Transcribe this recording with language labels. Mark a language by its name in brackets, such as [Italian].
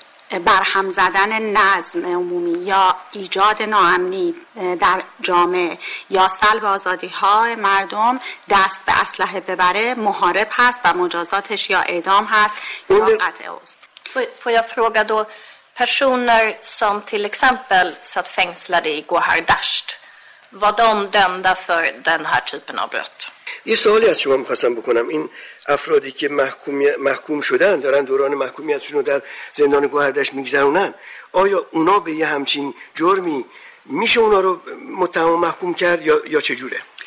[Persian] برهم زدن نظم عمومی یا ایجاد ناامنی در جامعه یا سلب آزادی های مردم دست به اسلحه ببره، محارب هست و مجازاتش یا اعدام هست یا قطع عضو. [Swedish] Får jag fråga då, personer som till exempel satt fängslade i Gohar Dasht, var de dömda för den här typen av brott? [Persian] یه سوالی از شما می‌خواستم بکنم. این افرادی که محکوم شدن دارن دوران محکومیتشون رو در زندان گوهردشت می‌گذرونن، آیا اونا به یه همچین جرمی میشه اونا رو متهم محکوم کرد یا چجوره؟